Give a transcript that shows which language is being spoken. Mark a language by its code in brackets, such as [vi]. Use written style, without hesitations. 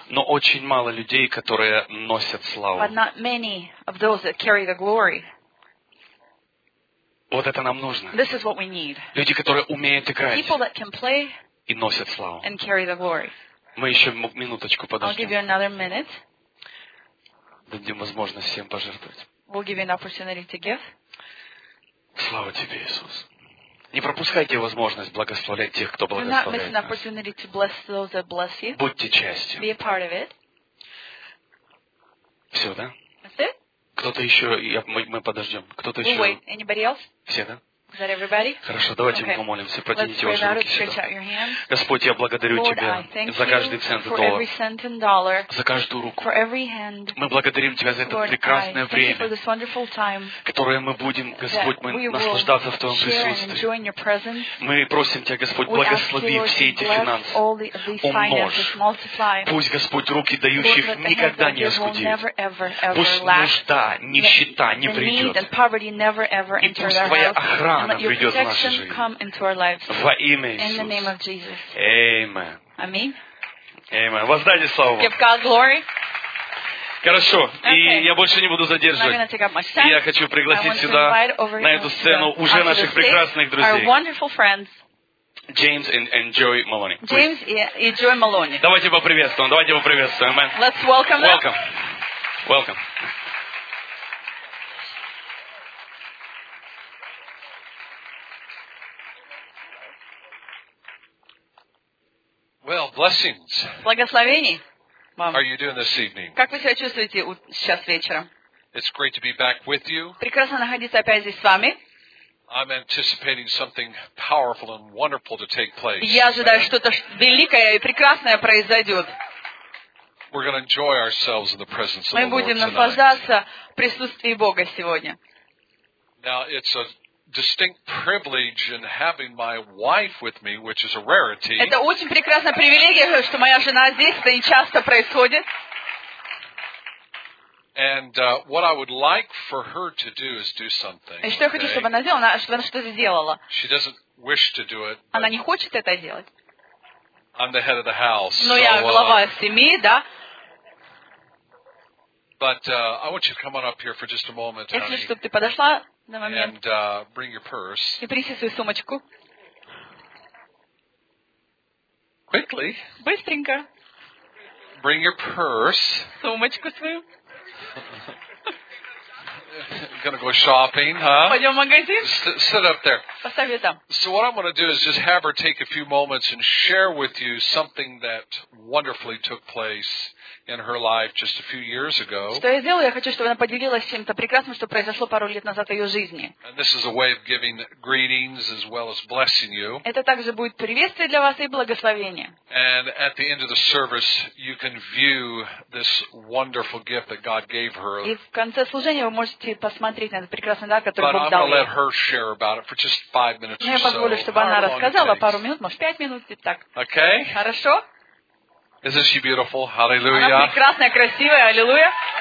[ru] Но очень мало людей, которые носят славу. [en] But not many of those that carry the glory. [ru] Вот это нам нужно. [en] This is what we need. [ru] Люди, которые умеют играть. [en] People that can play [ru] и носят славу. [en] And carry the glory. [ru] Мы еще минуточку подождем. [en] I'll give you another minute. [ru] Дадим возможность всем пожертвовать. [en] We'll give you an opportunity to give. [ru] Слава тебе, Иисус. Не пропускайте возможность благословлять тех, кто благословляет. [en] Do not miss an opportunity to bless those that bless you. [ru] Будьте частью. [en] Be a part of it. [ru] Все, да? [en] That's it. [ru] Кто-то еще, мы подождем. Кто-то еще. [en] Wait, anybody else? [ru] Все, да? [en] Is that everybody? [ru] Хорошо, давайте [en] okay. [ru] Мы помолимся. Протяните ваши руки сюда. Господь, я благодарю [en] Lord, [ru] Тебя за каждый цент и доллар, за каждую руку. Мы благодарим Тебя за это [en] Lord, [ru] прекрасное время, которое мы будем, Господь, мы наслаждаться в Твоем присутствии. Мы просим Тебя, Господь, благослови все эти финансы. Умножь. Пусть, Господь, руки дающих [en] Lord, [ru] никогда не оскудеют. Пусть нужда, нищета не придет. И пусть Твоя охрана [en] And let your protection come into our lives. In the name of Jesus. Amen. Amen. [ru] Amen. Воздайте славу. [en] Give God glory. [ru] Хорошо. И я больше не буду задерживать. Я хочу пригласить сюда, на эту сцену, уже наших прекрасных друзей. [en] James and Joey Maloney. [ru] James и Joey Maloney. Давайте поприветствуем. Давайте поприветствуем. [en] Amen. Let's welcome them. Welcome. Welcome. Well, blessings. [ru] Благословений. [en] How are you doing this evening? [ru] Как вы себя чувствуете сейчас вечером? [en] It's great to be back with you. [ru] Прекрасно находиться опять здесь с вами. [en] I'm anticipating something powerful and wonderful to take place. [ru] Я ожидаю, что-то великое и прекрасное произойдет. [en] We're going to enjoy ourselves in the presence of the Lord tonight. [ru] Мы будем наслаждаться присутствием Бога сегодня. [en] Now it's a distinct privilege in having my wife with me, which is a rarity. [ru] Это очень прекрасная привилегия, что моя жена здесь, это нечасто происходит. [en] And what I would like for her to do is do something. [ru] И что я хочу, чтобы она сделала? Она что-то сделала? [en] She doesn't wish to do it. [ru] Она не хочет это делать. [en] I'm the head of the house. [ru] Но я глава семьи, да? [en] But I want you to come on up here for just a moment, honey. [ru] Если чтобы ты подошла на момент. [en] And bring your purse. [ru] И принеси свою сумочку. [en] Quickly. [ru] Быстренько. [en] Bring your purse. [ru] Сумочку свою. [en] Gonna go shopping, huh? [ru] Пойдем в магазин. [en] Sit up there. [ru] Поставь ее там. [en] So what I'm going to do is just have her take a few moments and share with you something that wonderfully took place in her life just a few years ago. [ru] Что я сделаю? Я хочу, чтобы она поделилась чем-то прекрасным, что произошло пару лет назад в ее жизни. [en] And this is a way of giving greetings as well as blessing you. [ru] Это также будет приветствие для вас и благословение. [en] And at the end of the service, you can view this wonderful gift that God gave her. [ru] И в конце служения вы можете посмотреть на этот прекрасный дар, который Бог дал ей. Но я позволю, чтобы она рассказала пару минут, может, пять минут и так. [en] Okay. [ru] Хорошо? [en] Isn't she beautiful? Hallelujah. [ru] Она прекрасная, красивая. Аллилуйя.